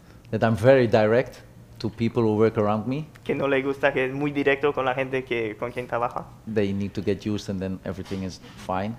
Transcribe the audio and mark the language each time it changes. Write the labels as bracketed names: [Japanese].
[English] That I'm very direct to people who work around me. [Spanish] Que no le gusta que es muy directo con la gente que con quien trabaja. [English] They need to get used and then everything is fine.